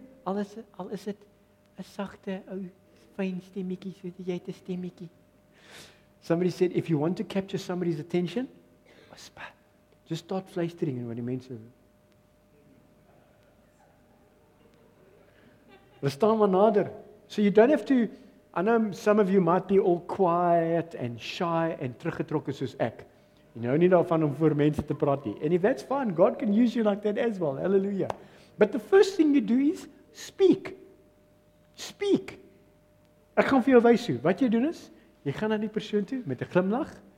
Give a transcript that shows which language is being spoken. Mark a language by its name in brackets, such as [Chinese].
[Afrikaans] Al is dit 'n sagte ou fyn stemmetjie, so jy het 'n stemmetjie. [English] Somebody said, if you want to capture somebody's attention, whisper. Just start fluistering in what he means. [Afrikaans] Hulle staan maar nader. [English] So you don't have to, I know some of you might be all quiet and shy and [Afrikaans] teruggetrokken soos ek. [English] You know, [Afrikaans] nie daarvan om voor mense te praat nie. [English] And if that's fine, God can use you like that as well. Hallelujah. But the first thing you do is speak. [Afrikaans] Speak. Ek gaan vir jou wys hoe. Wat jy doen is, jy gaan na die persoon toe met 'n glimlag.